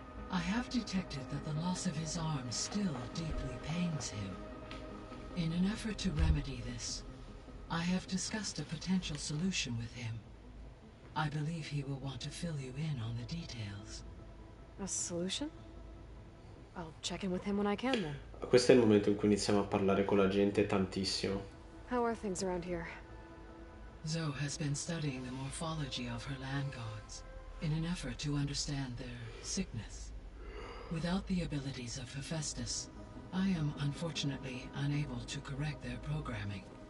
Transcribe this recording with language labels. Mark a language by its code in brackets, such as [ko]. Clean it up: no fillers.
[en] I have detected that the loss of his arm still deeply pains him. In an effort to remedy this, I have discussed a potential solution with him. I believe he will want to fill you in on the details. A solution? I'll check in with him when I can then. [it] Questo è il momento in cui iniziamo a parlare con la gente tantissimo. [en] How are things around here? Zoe has been studying the morphology of her land gods in an effort to understand their sickness. Without the abilities of Hephaestus, I am unfortunately unable to correct their programming.